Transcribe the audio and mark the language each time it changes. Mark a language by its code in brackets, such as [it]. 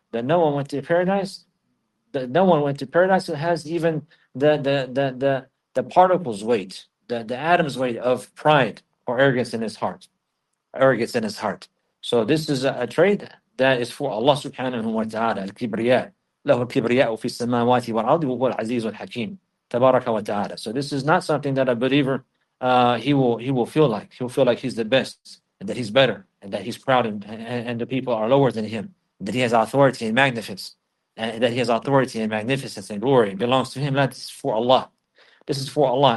[en] That no one went to paradise. That no one went to paradise who has even the particles weight, the atoms weight of pride or arrogance in his heart. Arrogance in his heart. So this is a trait that is for Allah subhanahu wa ta'ala, al kibriya. [ar] له الكبرياء في السماوات والأرض وهو العزيز الحكيم. Tabaraka wa ta'ala. [en] So this is not something that a believer he will feel like. He'll feel like he's the best, and that he's better, and that he's proud, and the people are lower than him, and that he has authority and magnificence, and that he has authority and magnificence and glory. It belongs to him. That's for Allah. This is for Allah.